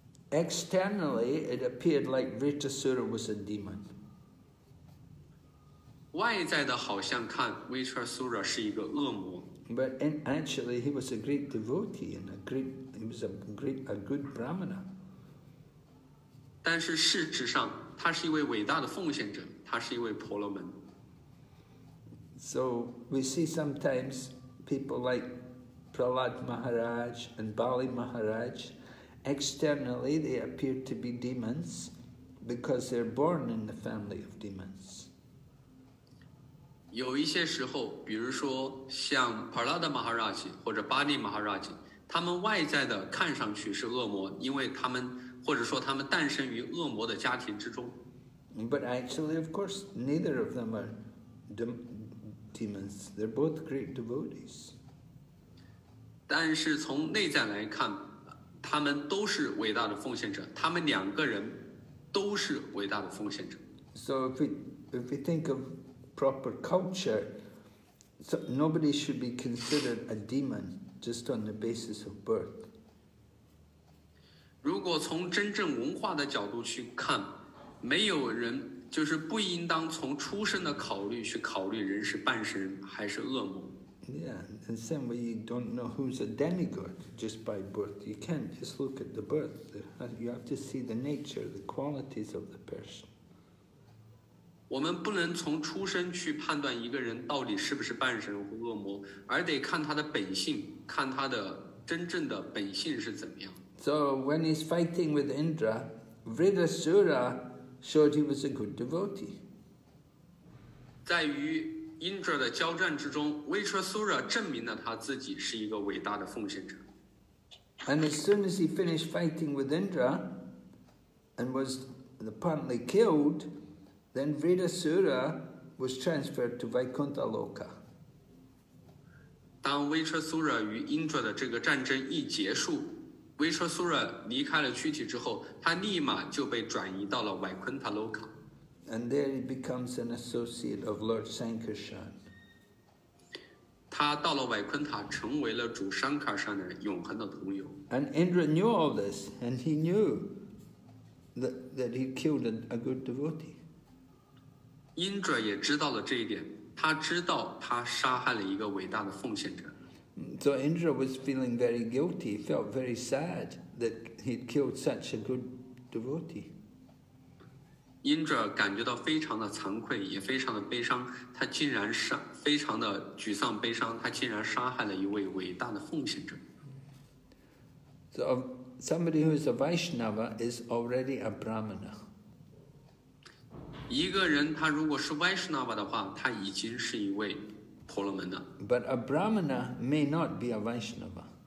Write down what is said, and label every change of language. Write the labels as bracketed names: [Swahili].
[English] Externally, it appeared like Vritasura was a demon. [Chinese] 外在的好像看 Vritasura 是一个恶魔 [English] ，but actually he was a great devotee and a good brahmana. [Chinese] 但是事实上，他是一位伟大的奉献者，他是一位婆罗门。 [English] So we see sometimes people like Prahlad Maharaj and Bali Maharaj, externally they appear to be demons because they're born in the family of demons. [Chinese] 有一些时候，比如说像 Prahlada Maharaj 或者 Bali Maharaj， 他们外在的看上去是恶魔，因为他们或者说他们诞生于恶魔的家庭之中。 [English] But actually, of course, neither of them are demons. They're both great devotees. [Chinese] 但是从内在来看，他们都是伟大的奉献者，他们两个人都是伟大的奉献者。 [English] So if we think of proper culture, so nobody should be considered a demon just on the basis of birth. [Chinese] 如果从真正文化的角度去看，没有人就是不应当从出生的考虑去考虑人是半神还是恶魔。 [English] Yeah, and same way you don't know who's a demigod just by birth. You can't just look at the birth. You have to see the nature, the qualities of the person. [Chinese] 我们不能从出生去判断一个人到底是不是半神或恶魔，而得看他的本性，看他的真正的本性是怎么样。 [English] So when he's fighting with Indra, Vridhasura showed he was a good devotee. [Chinese] 在于Indra 的交战之中， Vritrasura 证明了他自己是一个伟大的奉献者。 [English] And as soon as he finished fighting with Indra and was apparently killed, then Vritrasura was transferred to Vaikuntha Loka. [Chinese] 当 Vritrasura 与 Indra 的这个战争一结束， Vritrasura 离开了躯体之后，他立马就被转移到了 Vaikuntha Loka。 [English] And there he becomes an associate of Lord Sankarshan. [Chinese] 他到了维昆塔，成为了主桑卡山的永恒的朋友。 [English] And Indra knew all this, and he knew that he killed a good devotee. [Chinese] Indra 也知道了这一点，他知道他杀害了一个伟大的奉献者。 [English] So Indra was feeling very guilty, felt very sad that he'd killed such a good devotee. [Chinese] Indra 感觉到非常的惭愧，也非常的悲伤。他竟然非常的沮丧、悲伤。他竟然杀害了一位伟大的奉献者。 [English] So somebody who is a Vaishnava is already a Brahmana. [Chinese] 一个人他如果是 Vaishnava 的话，他已经是一位婆罗门的。 [English] But a Brahmana may not be a Vaishnava.